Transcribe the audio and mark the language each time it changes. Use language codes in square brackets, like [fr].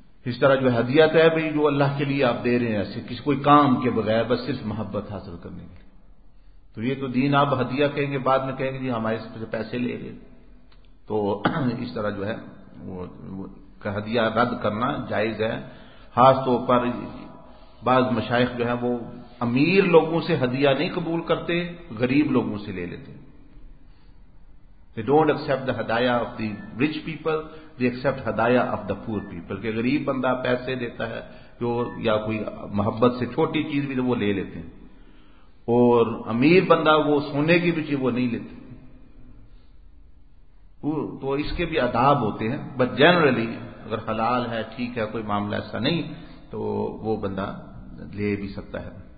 [ur] اس طرح جو ہدیہ تو ہے بھئی جو اللہ کے لیے آپ دے رہے ہیں, ایسے کسی کوئی کام کے بغیر بس صرف محبت حاصل کرنے کے لیے, تو یہ تو دین آپ ہدیہ کہیں گے بعد میں کہیں گے جی ہمارے سے پیسے لے رہے, تو اس طرح جو ہے وہ ہدیہ رد کرنا جائز ہے. خاص طور پر بعض مشائخ جو ہیں وہ امیر لوگوں سے ہدیہ نہیں قبول کرتے, غریب لوگوں سے لے لیتے. [en] They don't accept the hadaya of the rich people, they accept hadaya of the poor people. [ur] کہ غریب بندہ پیسے دیتا ہے جو یا کوئی محبت سے چھوٹی چیز بھی وہ لے لیتے ہیں, اور امیر بندہ وہ سونے کی بھی چیز وہ نہیں لیتے. تو اس کے بھی آداب ہوتے ہیں, [en] but generally [ur] اگر حلال ہے ٹھیک ہے, کوئی معاملہ ایسا نہیں تو وہ بندہ لے بھی سکتا ہے.